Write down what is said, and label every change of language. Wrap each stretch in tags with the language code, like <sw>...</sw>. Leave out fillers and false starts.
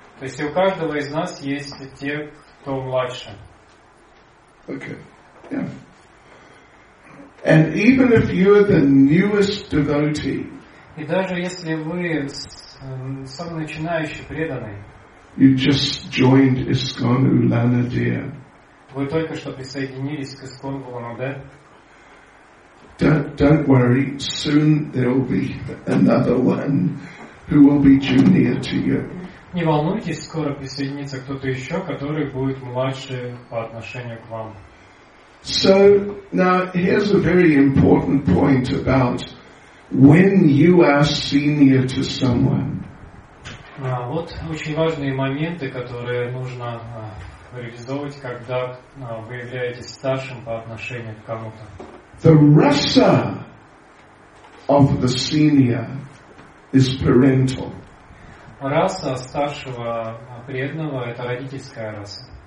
<ru>То есть у каждого из нас есть те, кто младше.</ru> <en>Okay. Yeah. And even if you are the newest devotee,</en> <ru>и даже если вы самый начинающий преданный,</ru> <en>you just joined ISKCON Ulanadir.</en> <ru>Вы только что присоединились к ISKCON Ulanadir.</ru> <en>Don't worry. Soon there will be another one who will be junior to you.</en> <ru>Не волнуйтесь, скоро присоединится кто-то еще, который будет младше по отношению к вам.</ru> <en>So, now, here's a very important point about when you are senior to someone.</en> <ru>Вот очень важные моменты, которые нужно реализовывать, когда вы являетесь старшим по отношению к кому-то.</ru> <en>The rasa of the senior is parental.</en> <ru>Раса старшего преданного – это родительская раса.</ru>